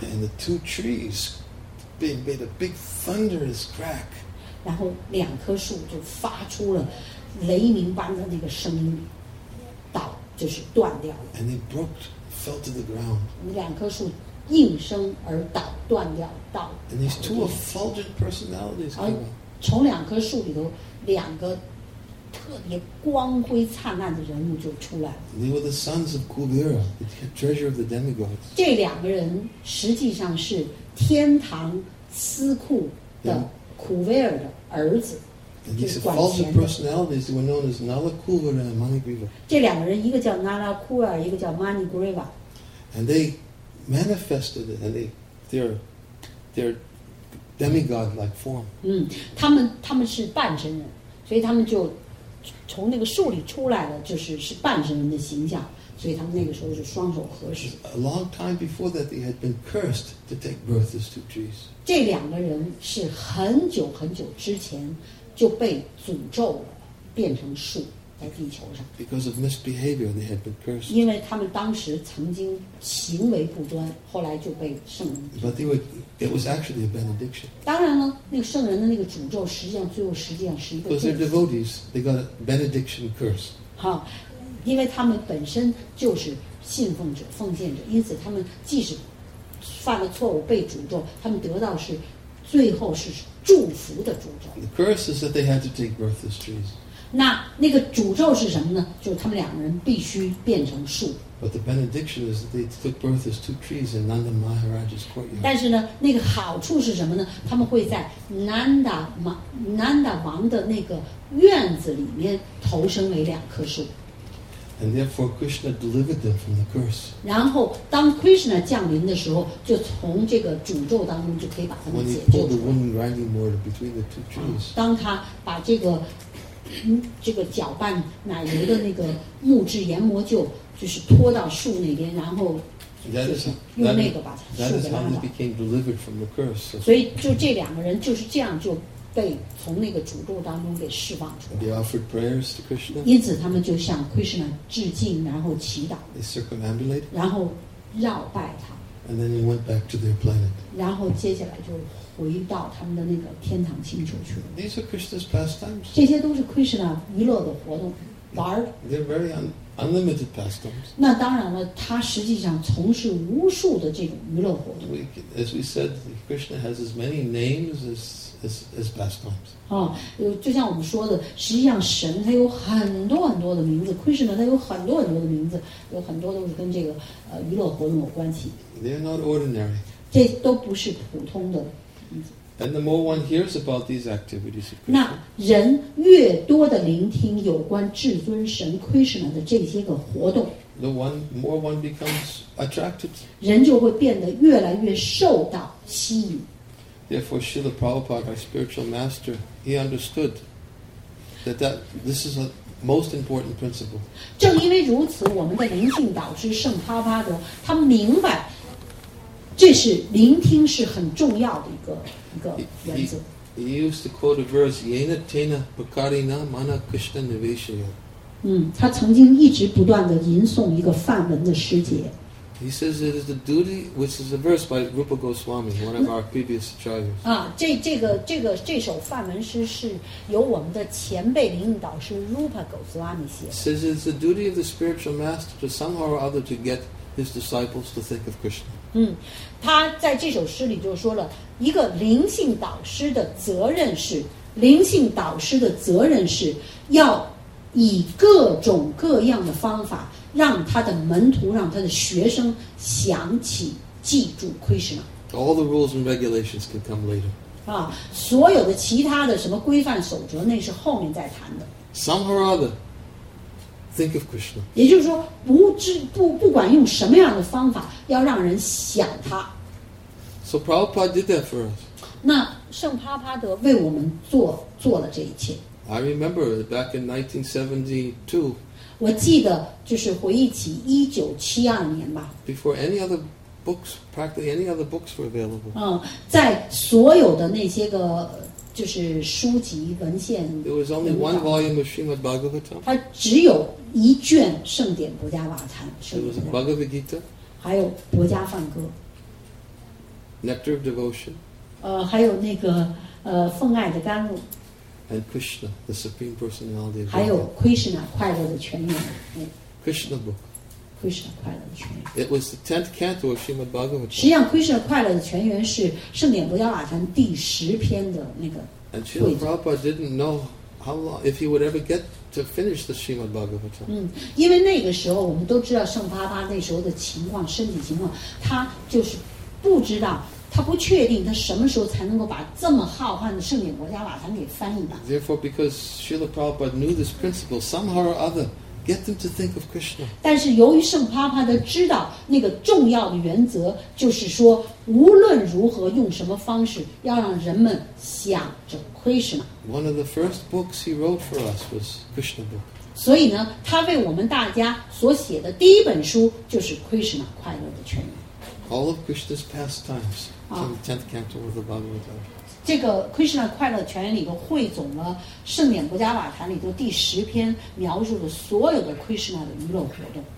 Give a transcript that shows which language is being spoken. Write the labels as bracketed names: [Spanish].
[English] And the two trees made a big thunderous crack. [Chinese] 然后两棵树就发出了雷鸣般的那个声音，倒就是断掉了。 [English] And they broke, fell to the ground. [Chinese] 两棵树应声而倒，断掉倒。 [English] And these two effulgent personalities came on. [Chinese] 从两棵树里头，两个特别光辉灿烂的人物就出来了。 [English] They were the sons of Kubera, the treasure of the demigods. [Chinese] 这两个人实际上是天堂司库的库维尔的儿子。 [English] And these false personalities were known as Nala Kuvera and Manigriva. [Chinese] 这两个人，一个叫 Nala Kuvera， 一个叫 Manigriva. [English] And they manifested, and they're. Demigod-like form. [Chinese] 他们是半神人，所以他们就从那个树里出来了，就是半神人的形象，所以他们那个时候是双手合十。 [English] A long time before that, they had been cursed to take birth as two trees. [Chinese] 这两个人是很久很久之前就被诅咒了，变成树在地球上。 [English] Because of misbehavior, they had been cursed. [Chinese] 因为他们当时曾经行为不端，后来就被圣人。 [English] But they were. It was actually a benediction. [Chinese] 当然了，那个圣人的那个诅咒，实际上最后实际上是一个。 [English] Because they're devotees, they got a benediction curse. [Chinese] 好，因为他们本身就是信奉者、奉献者，因此他们即使犯了错误被诅咒，他们得到是最后是祝福的诅咒。 [English] The curse is that they had to take birth as trees. [Chinese] 那个诅咒是什么呢？就是他们两个人必须变成树。 [English] But the benediction is that they took birth as two trees in Nanda Maharaj's courtyard. [Chinese] 但是呢，那个好处是什么呢？他们会在南达王的那个院子里面投生为两棵树。 [English] And therefore, Krishna delivered them from the curse. [Chinese] 然后，当 Krishna 降临的时候，就从这个诅咒当中就可以把他们解救出来。 [English] When he pulled the wooden grinding mortar between the two trees. [Chinese] 当他把这个搅拌奶油的那个木质研磨臼。就是拖到树那边，然后用那个把树给拉倒。所以，就这两个人就是这样就被从那个诅咒当中给释放出来。 [English] They offered prayers to Krishna. [Chinese] 因此，他们就向 Krishna 致敬，然后祈祷。 [English] They circumambulated. [Chinese] 然后绕拜他。 [English] And then he went back to their planet. [Chinese] 然后接下来就回到他们的那个天堂星球去了。 [English] These are Krishna's pastimes. [Chinese] 这些都是 Krishna 娱乐的活动，玩儿。 [English] They're very unlimited pastimes. [Chinese] 那当然了，他实际上从事无数的这种娱乐活动。 [English] As we said, Krishna has as many names as pastimes. [Chinese] 就像我们说的，实际上神他有很多很多的名字 ，Krishna 他有很多很多的名字，有很多都是跟这个娱乐活动有关系。 [English] They're not ordinary. [Chinese] 这都不是普通的。 [English] And the more one hears about these activities, of [Chinese] Krishna, 那人越多的聆听有关至尊神 Krishna 的这些个活动 [English] ，the one more one becomes attracted. [Chinese] 人就会变得越来越受到吸引。 [English] Therefore, Srila Prabhupada, our spiritual master, he understood that this is a most important principle. [Chinese] 正因为如此，我们的灵性导师圣帕帕德他明白。这是聆听是很重要的一个原则。 [English] He used to quote a verse, [Sanskrit] "Yena tena pakarina mana Krishna niveshaya." [Chinese] 他曾经一直不断的吟诵一个梵文的诗节。 [English] He says it is the duty, which is a verse by Rupa Goswami, one of our previous acharyas. [Chinese] 这首梵文诗是由我们的前辈灵应导师 Rupa Goswami 写的。 [English] Says it is the duty of the spiritual master to somehow or other to get his disciples to think of Krishna. [Chinese] 他在这首诗里就说了，一个灵性导师的责任是，灵性导师的责任是要以各种各样的方法让他的门徒，让他的学生想起记住 Krishna. [English] All the rules and regulations can come later. [Chinese] 所有的其他的什么规范守则，那是后面再谈的。 [English] Somehow or other. Think of Krishna. [Chinese] 也就是说，不管用什么样的方法，要让人想他。 [English] So Prabhupada did that for us. [Chinese] 那圣帕帕德为我们做了这一切。 [English] I remember back in 1972. [Chinese] 我记得就是回忆起1972年吧。 [English] Before any other books, practically any other books were available. [Chinese] 在所有的那些个。就是书籍文献。 [English] There was only one volume of Srimad Bhagavatam. [Chinese] 它只有一卷圣典《薄伽瓦坛》。 [English] There was Bhagavad Gita. [Chinese] 还有《薄伽梵歌》。 [English] Nectar of Devotion. [Chinese] 还有那个奉爱的甘露。 [English] And Krishna, the Supreme Personality. [Chinese] 还有 Krishna 快乐的泉源。 [English] Krishna book. [Chinese] Krishna 快乐的泉源。 [English] It was the 10th canto of Srimad Bhagavatam. [Chinese] 实际上 ，Krishna 快乐的泉源是圣典《薄伽瓦坛》第十篇的那个。 [English] And Srila Prabhupada didn't know how long if he would ever get to finish the Srimad Bhagavatam. [Chinese] 因为那个时候我们都知道圣帕帕那时候的情况，身体情况，他就是不知道，他不确定他什么时候才能够把这么浩瀚的圣典《薄伽瓦坛》给翻译完。 [English] Therefore, because Srila Prabhupada knew this principle somehow or other. Get them to think of Krishna. [Chinese] 但是由于圣帕帕的知道那个重要的原则，就是说无论如何用什么方式，要让人们想着 Krishna. [English] One of the first books he wrote for us was Krishna book. [Chinese] 所以呢，他为我们大家所写的第一本书就是 Krishna 快乐的泉源。 [English] All of Krishna's pastimes from the 10th canto of the Bhagavad Gita. [Chinese] 这个 Krishna 快乐泉源里头汇总了圣典薄伽瓦坛里头第十篇描述的所有的 Krishna 的娱乐活动。